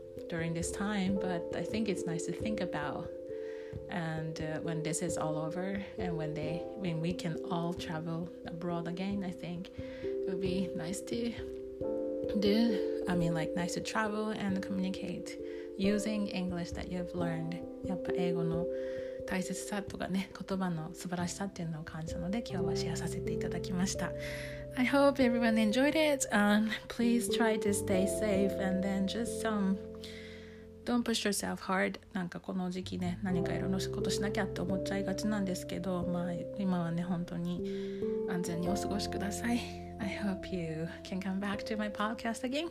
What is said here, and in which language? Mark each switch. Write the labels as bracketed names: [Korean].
[English] during this time, but I think it's nice to think about, and when this is all over and when we can all travel abroad again, I think it would be nice to do, I mean like nice to travel and communicate using English that you've learned. [Japanese] やっぱ英語の大切さとかね、言葉の素晴らしさっていうのを感じたので今日はシェアさせていただきました。 [English] I hope everyone enjoyed it, and please try to stay safe, and then just don't push yourself hard. [Japanese] なんかこの時期ね、何かいろんなことしなきゃって思っちゃいがちなんですけど、まあ今はね本当に安全にお過ごしください。 [English] I hope you can come back to my podcast again.